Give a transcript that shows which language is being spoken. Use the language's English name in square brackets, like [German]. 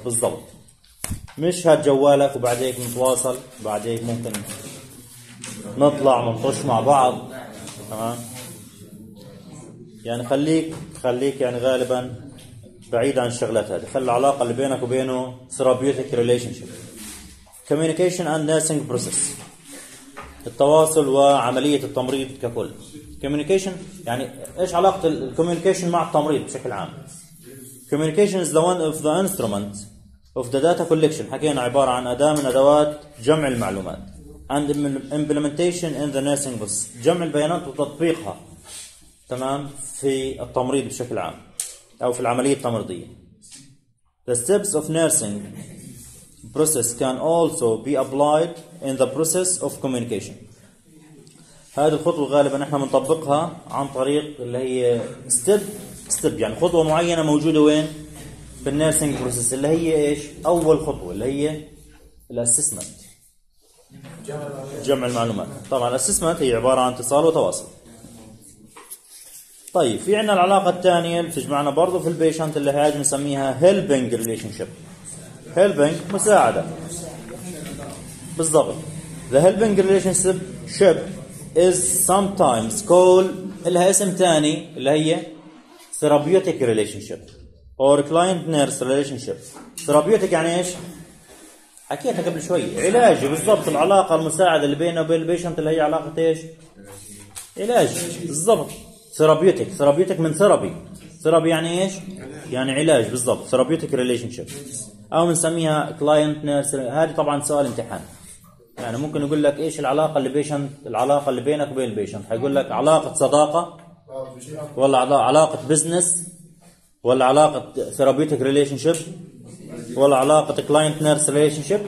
[Arabic] بالضبط، مش هات جوالك وبعد هيك نتواصل، بعد هيك ممكن نطلع منطش مع بعض تمام. يعني خليك يعني غالبا بعيد عن الشغلات هذه، خلي العلاقة اللي بينك وبينه [English] Therapeutic relationship. Communication and nursing process, [Arabic] التواصل وعملية التمريض ككل. [English] communication [Arabic] يعني إيش علاقة [English] communication [Arabic] مع التمريض بشكل عام؟ [English] communication is the one of the instrument of the data collection. [Arabic] حكينا عبارة عن أداة من أدوات جمع المعلومات [English] and implementation in the nursing bus. [Arabic] جمع البيانات وتطبيقها تمام في التمريض بشكل عام أو في العملية التمريضية. [English] The steps of nursing process can also be applied in the process of communication. [Arabic] هذه الخطوة غالبا احنا بنطبقها عن طريق اللي هي step يعني خطوة معينة موجودة وين في النيرسينج بروسيس اللي هي ايش اول خطوة اللي هي الاسسمنت جمع المعلومات. طبعا الاسسمنت هي عبارة عن اتصال وتواصل. طيب في عندنا العلاقة الثانية اللي تجمعنا برضو في البيشنت اللي هي نسميها helping relationship. helping مساعدة بالضبط. [English] the helping relationship is sometimes called [Arabic] لها اسم ثاني اللي هي [English] therapeutic relationship or client nurse relationship. [Arabic] therapeutic يعني ايش؟ حكيتها قبل شوي علاجي بالضبط. العلاقة المساعدة اللي بينه وبين البيشنت اللي هي علاقة ايش؟ علاجي بالضبط. [English] therapeutic therapeutic من therapy. [Arabic] therapy يعني ايش؟ يعني علاج بالضبط. [English] therapeutic relationship [Arabic] او بنسميها [English] client nurse. [Arabic] هذه طبعا سؤال امتحان يعني ممكن اقول لك ايش العلاقه اللي بيشنت العلاقه اللي بينك وبين البيشنت. هيقول لك علاقه صداقه ولا علاقه بزنس ولا علاقه therapeutic relationship ولا علاقه client nurse relationship.